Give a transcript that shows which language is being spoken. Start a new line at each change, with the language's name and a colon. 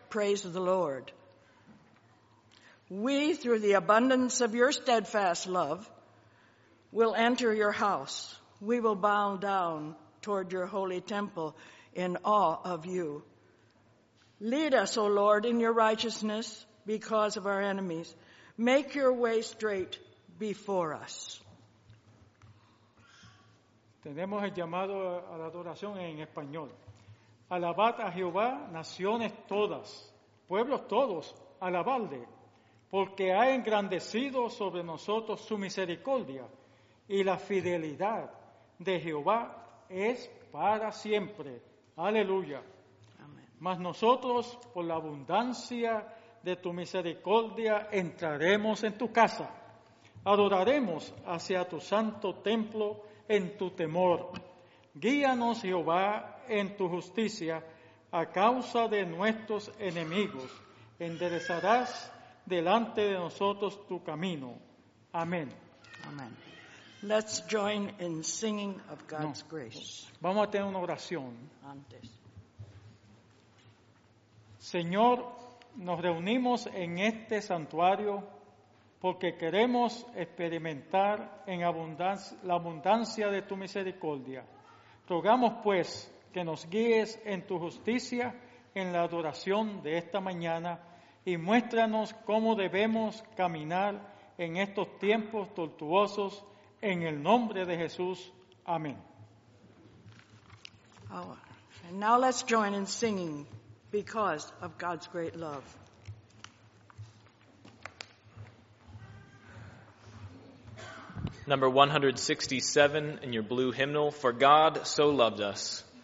English: Praise the Lord. We, through the abundance of your steadfast love, will enter your house. We will bow down toward your holy temple in awe of you. Lead us, O Lord, in your righteousness because of our enemies. Make your way straight before us.
Spanish: Tenemos el llamado a la adoración en español. Alabad a Jehová, naciones todas, pueblos todos, alabadle, porque ha engrandecido sobre nosotros su misericordia, y la fidelidad de Jehová es para siempre. Aleluya. Amén. Mas nosotros, por la abundancia de tu misericordia, entraremos en tu casa. Adoraremos hacia tu santo templo en tu temor. Guíanos, Jehová, en tu justicia a causa de nuestros enemigos. Enderezarás delante de nosotros tu camino. Amén. Amén.
English: Let's join in singing of God's grace.
Spanish: Vamos a tener una oración. Antes. Señor, nos reunimos en este santuario porque queremos experimentar en abundancia, la abundancia de tu misericordia. Rogamos, pues, que nos guíes en tu justicia en la adoración de esta mañana y muéstranos cómo debemos caminar en estos tiempos tortuosos. En el nombre de Jesús. Amén.
English: And now let's join in singing because of God's great love. Number 167 in your blue hymnal, For God So Loved Us.